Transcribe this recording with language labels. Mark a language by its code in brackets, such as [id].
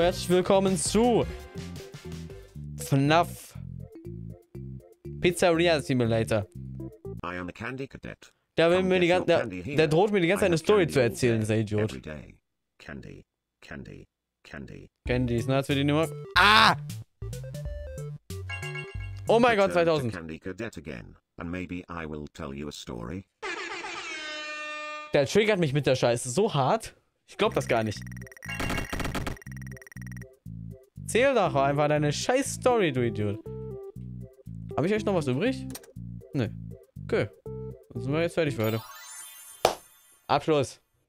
[de] Herzlich willkommen zu FNAF Pizzeria Simulator. [en] I am a candy cadet. [de] Der droht mir die ganze Zeit eine Story zu erzählen, dieser Idiot. [en] Candy, Candy, Candy. [de] Candy ist nass für die Nummer. Ah! Oh mein Gott, 2000. [en] Candy Cadet again, and maybe I will tell you a story. [de] Der triggert mich mit der Scheiße so hart. Ich glaub das gar nicht. Zähl doch einfach deine scheiß Story, du Idiot. Hab ich euch noch was übrig? Nö. Okay. Dann sind wir jetzt fertig für heute. Abschluss.